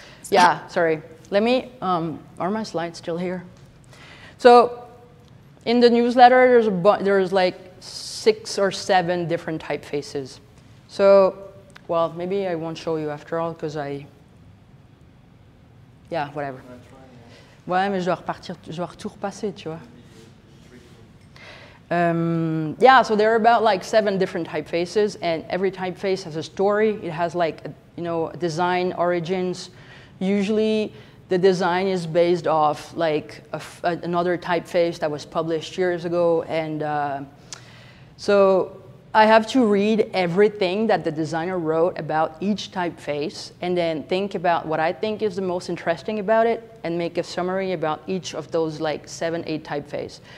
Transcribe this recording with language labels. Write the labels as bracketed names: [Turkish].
[English] Yeah, sorry. Let me... are my slides still here? So in the newsletter, there's like six or seven different typefaces. So, well, maybe I won't show you after all, because I... Yeah, whatever. [French] Ouais, mais je vais repartir, je vais tout repasser, tu vois. [English] Yeah, so there are about like 7 different typefaces, and every typeface has a story. It has like, you know, design origins. Usually the design is based off like another typeface that was published years ago. And so I have to read everything that the designer wrote about each typeface and then think about what I think is the most interesting about it and make a summary about each of those like 7-8 typefaces.